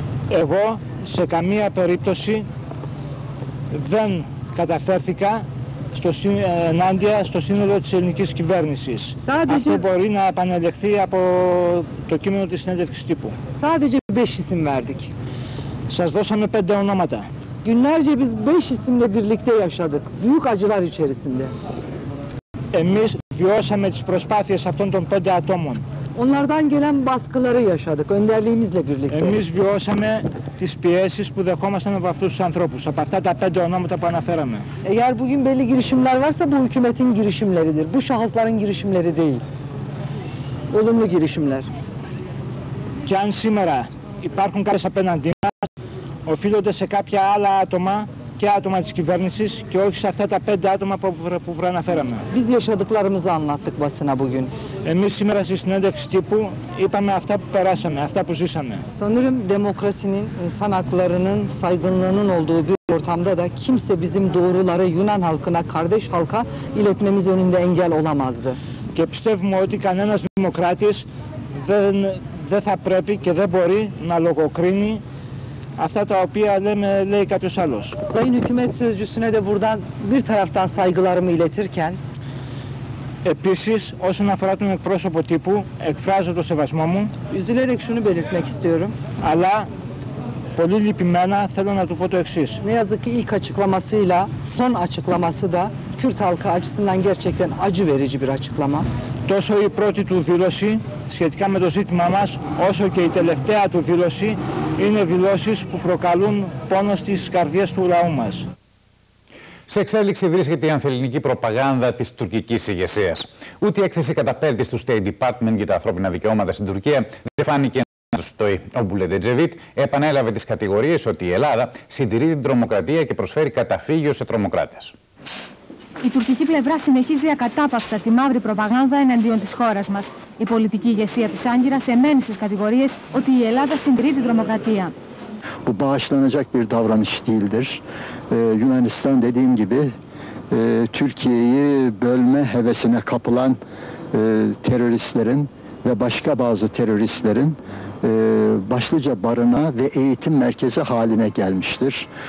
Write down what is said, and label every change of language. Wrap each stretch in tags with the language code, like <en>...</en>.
<el>Εγώ σε καμία περίπτωση δεν καταφέρθηκα ενάντια στο σύνολο της ελληνικής κυβέρνησης. Αυτό μπορεί να επανελεχθεί από το κείμενο της συνέντευξης τύπου.</el> <tr>Sadece 5 isim verdik.</tr> <el>Σας δώσαμε 5 ονόματα.</el> <tr>Günlerce biz 5 isimle birlikte yaşadık. Büyük acılar içerisinde.</tr> <el>Εμείς βιώσαμε τις προσπάθειες αυτών των πέντε ατόμων.</el> <tr>Onlardan gelen baskıları yaşadık önderliğimizle birlikte.</tr> <el>Εμείς βιώσαμε τις πιέσεις που δεχόμασταν από αυτούς τους ανθρώπους, από αυτά τα πέντε ονόματα που αναφέραμε.</el> <tr>Eğer bugün belli girişimler varsa bu hükümetin girişimleridir. Bu şahısların girişimleri değil. Olumlu girişimler.</tr> <el>Και αν σήμερα υπάρχουν κάποιες απέναντί μας, οφείλονται σε κάποια άλλα άτομα και άτομα της κυβέρνησης και όχι σε αυτά τα πέντε άτομα που προαναφέραμε.</el> <tr>Biz yaşadıklarımızı anlattık basına bugün.</tr> <el>Εμείς σήμερα στη συνέντευξη τύπου είπαμε αυτά που περάσαμε, αυτά που ζήσαμε.</el> <tr>Sanırım demokrasinin, insan haklarının, saygınlığının olduğu bir ortamda da kimse bizim doğruları Yunan halkına, kardeş halka iletmemiz önünde engel olamazdı.</tr> <el>Και πιστεύουμε ότι κανένας δημοκράτης δεν θα πρέπει και δεν μπορεί να λογοκρίνει αυτά τα οποία λέει κάποιος άλλος.</el> <tr>Sayın hükümet sözcüsüne de buradan bir taraftan saygılarımı iletirken.</tr> <el>Επίσης, όσον αφορά τον εκπρόσωπο τύπου, εκφράζω το σεβασμό μου.</el> <tr>Üzülerek şunu belirtmek istiyorum.</tr> <el>Αλλά πολύ λυπημένα θέλω να του πω το εξής.</el> <tr>Ne yazık ki ilk açıklamasıyla son açıklaması da Kürt halkı açısından gerçekten acı verici bir açıklama.</tr> <el>Τόσο η πρώτη του δήλωση σχετικά με το ζήτημά μας, όσο και η τελευταία του δήλωση είναι δηλώσεις που προκαλούν πόνο στις καρδιές του λαού μας. Σε εξέλιξη βρίσκεται η ανθεληνική προπαγάνδα της τουρκικής ηγεσίας. Ούτε η έκθεση καταπέλτης του State Department για τα ανθρώπινα δικαιώματα στην Τουρκία δεν φάνηκε να του στοεί. Ο Μπουλέντε Τζεβίτ επανέλαβε τις κατηγορίες ότι η Ελλάδα συντηρεί την τρομοκρατία και προσφέρει καταφύγιο σε τρομοκράτες. Η τουρκική πλευρά συνεχίζει ακατάπαυστα τη μαύρη προπαγάνδα εναντίον της χώρας μας. Η πολιτική ηγεσία της Άγκυρας εμένει στις κατηγορίες ότι η Ελλάδα συντηρεί την τρομοκρατία.</el> <tr>Bu bağışlanacak bir davranış değildir. Yunanistan dediğim gibi Türkiye'yi bölme hevesine kapılan teröristlerin ve başka bazı teröristlerin başlıca barına ve eğitim merkezi haline gelmiştir.</tr>